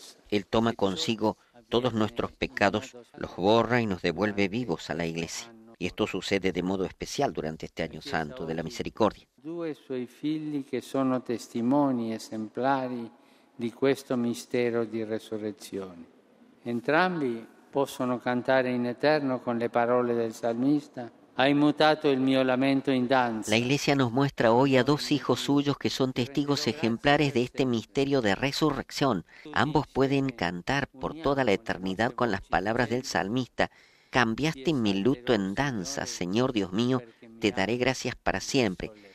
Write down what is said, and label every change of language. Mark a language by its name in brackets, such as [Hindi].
[Spanish] Él toma consigo todos nuestros pecados, los borra y nos devuelve vivos a la Iglesia. Y esto sucede de modo especial durante este Año Santo de la Misericordia. [Italian] Due suoi figli che sono testimoni esemplari di questo mistero di resurrezione. Entrambi possono cantare in eterno con le parole del salmista. Hai mutato il mio lamento in danza. [Spanish] La Iglesia nos muestra hoy a dos hijos suyos que son testigos ejemplares de este misterio de resurrección. Ambos pueden cantar por toda la eternidad con las palabras del salmista. Cambiaste mi luto en danza, Señor Dios mío, te daré gracias para siempre.